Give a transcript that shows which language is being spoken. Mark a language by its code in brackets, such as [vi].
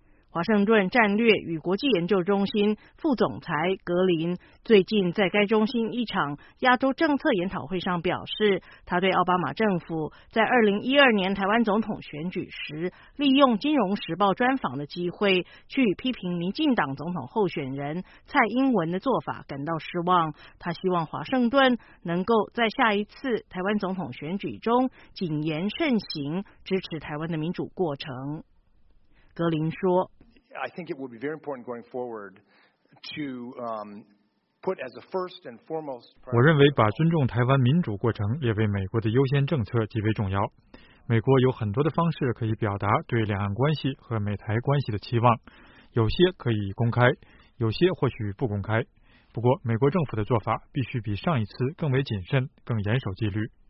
[zh] 华盛顿战略与国际研究中心副总裁格林最近在该中心一场亚洲政策研讨会上表示，他对奥巴马政府在2012年台湾总统选举时利用《金融时报》专访的机会去批评民进党总统候选人蔡英文的做法感到失望，他希望华盛顿能够在下一次台湾总统选举中谨言慎行，支持台湾的民主过程。格林说， [en] I think it would be very important going forward to put as a first and foremost. [zh] 我认为把尊重台湾民主过程列为美国的优先政策极为重要。美国有很多的方式可以表达对两岸关系和美台关系的期望，有些可以公开，有些或许不公开。不过，美国政府的做法必须比上一次更为谨慎，更严守纪律。